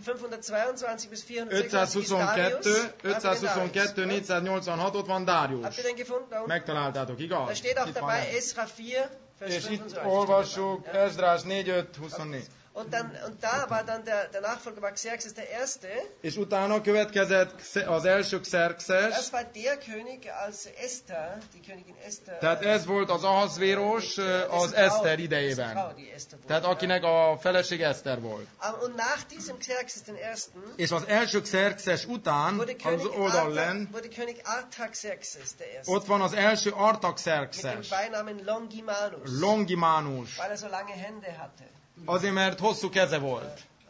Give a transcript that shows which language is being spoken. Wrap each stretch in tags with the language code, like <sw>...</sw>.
<de>522 bis 462</de> <hu>486 ott van Darius.</hu> <de>Habt ihr den gefunden?</de> <hu>Megtaláltátok, igaz?</hu> <de>Da steht auch itt dabei Ezra 4</de> <hu>vers 25. Olvassuk Ezrás 4:5-24.</hu> <de>Und dann und da war dann der der Nachfolger war Xerxes der erste.</de> <hu>És utána következett az első Xerxes.</hu> <de>Das war der König als Esther, die Königin Esther.</de> <hu>Tehát ez volt az Ahasverus az Eszter idejében. Tehát akinek a feleség Eszter volt.</hu> <de>Und nach diesem Xerxes den ersten.</de> <hu>És az első Xerxes után az oldal len.</hu> <de>Wurde König Artaxerxes der erste.</de> <hu>Ott van az első Artaxerxes.</hu> <de>Mit dem Beinamen Longimanus.</de> <hu>Longimanus.</hu> <de>Weil er so lange Hände hatte.</de> <hu>Azért, mert hosszú keze volt.</hu>